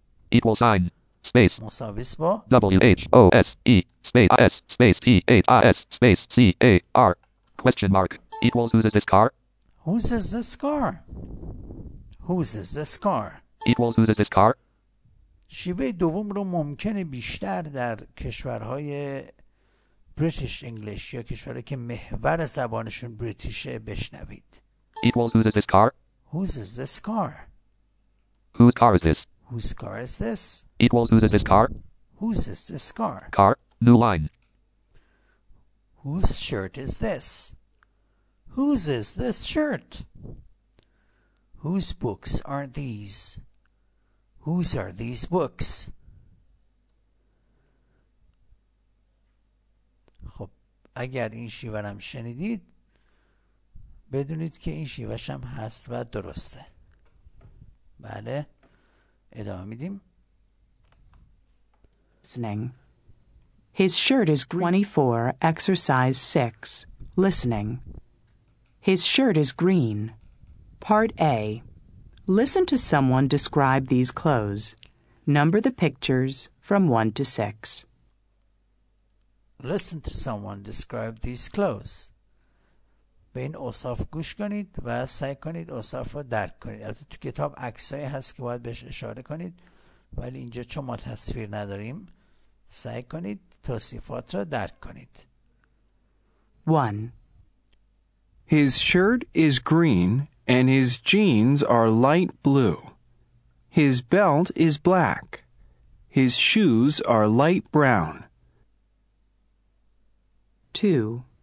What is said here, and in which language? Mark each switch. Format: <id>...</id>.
<en>Equal sign. Space.</en> <fa>مساویس با</fa> <en>W-H-O-S-E space I-S space E-H-I-S space C-A-R question mark. Equals whose is this car? Whose is this car? Whose is this car? Equals whose is this car?</en> <fa>شیوه دوم رو ممکنه بیشتر در کشورهای بریتیش انگلیش یا کشورهای که محور زبانشون بریتیشه بشنوید.</fa> <en>Equals whose is this car? Whose is this car? Whose car is this? Whose car is this? Equals whose is this car? Whose is this car? Car, new line. Whose shirt is this? Whose is this shirt? Whose books are these? Whose are these books?</en> <fa>خب اگر این شیوهام شنیدید بدونید که این شیوهش هم هست و درسته. بله ادامه میدیم.</fa> <en>Listening. His shirt is green. 24 exercise 6. Listening. His shirt is green. Part A. Listen to someone describe these clothes. Number the pictures from 1 to 6. Listen to someone describe these clothes.</en> <fa>به این اوصاف گوش کنید و سعی کنید اوصاف رو درک کنید. البته تو کتاب عکسایی هست که باید بهش اشاره کنید، ولی اینجا چون ما تصویر نداریم سعی کنید توصیفات رو درک کنید.</fa> <en>1. His shirt is green and his jeans are light blue. His belt is black. His shoes are light brown. 2.</en>